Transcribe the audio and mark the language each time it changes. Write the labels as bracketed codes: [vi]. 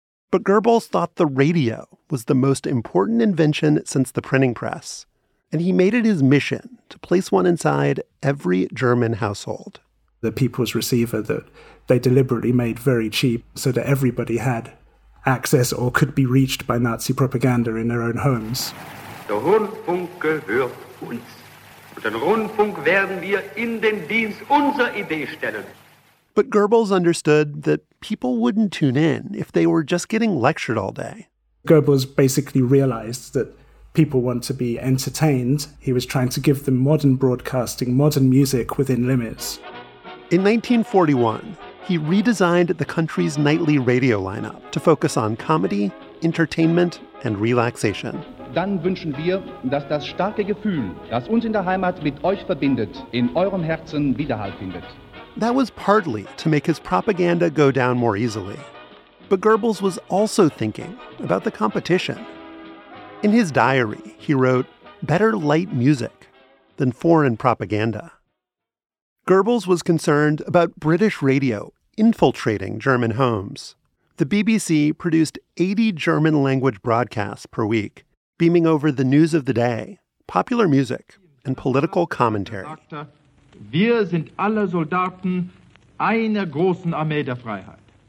[en] But Goebbels thought the radio was the most important invention since the printing press, and he made it his mission to place one inside every German household. The people's receiver that they deliberately made very cheap so that everybody had access or could be reached by Nazi propaganda in their own homes. [de] Der Rundfunk gehört uns. Und den Rundfunk werden wir in den Dienst unserer Idee stellen. [en] But Goebbels understood that people wouldn't tune in if they were just getting lectured all day. Goebbels basically realized that people want to be entertained. He was trying to give them modern broadcasting, modern music within limits. In 1941, he redesigned the country's nightly radio lineup to focus on comedy, entertainment, and relaxation. [de] Dann wünschen wir, dass das starke Gefühl, das uns in der Heimat mit euch verbindet, in eurem Herzen Widerhall findet. [en] That was partly to make his propaganda go down more easily. But Goebbels was also thinking about the competition. In his diary, he wrote, "Better light music than foreign propaganda." Goebbels was concerned about British radio infiltrating German homes. The BBC produced 80 German language broadcasts per week, beaming over the news of the day, popular music, and political commentary. [de] Wir sind alle Soldaten einer großen Armee der Freiheit.